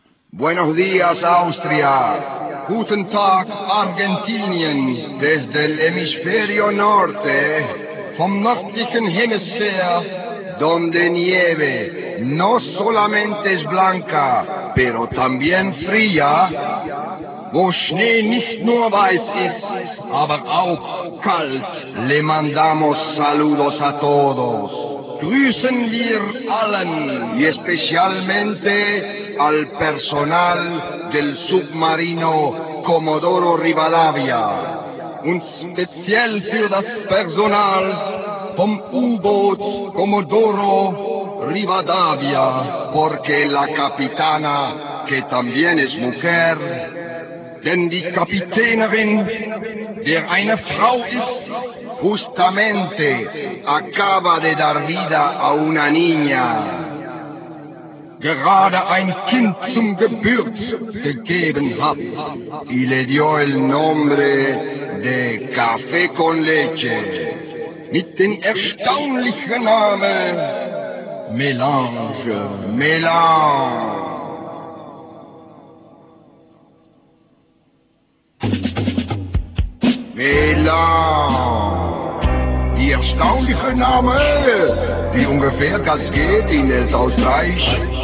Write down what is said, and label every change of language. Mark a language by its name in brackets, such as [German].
[Spanish] Buenos días, Austria. [German] Guten Tag, Argentinien. [Spanish] Desde el hemisferio norte, [German] vom nördlichen Hemisphere, [Spanish] donde nieve no solamente es blanca, pero también fría. [German] Wo Schnee nicht nur weiß ist, aber auch kalt, [Spanish] le mandamos saludos a todos. [German] Grüßen wir allen, [Spanish] y especialmente al personal del submarino Comodoro Rivadavia. [German] Und speziell für das Personal vom U-Boot Comodoro Rivadavia, [Spanish] porque la capitana, que también es mujer, [German] denn die Kapitänerin, der eine Frau ist, [Spanish] justamente acaba de dar vida a una niña. [German] Gerade ein Kind zum Geburt gegeben hat. [Spanish] Y le dio el nombre de Café con Leche. [German] Mit dem erstaunlichen Namen Melange. Melange. Melange. Die erstaunliche Name, wie ungefähr das geht in das Österreich.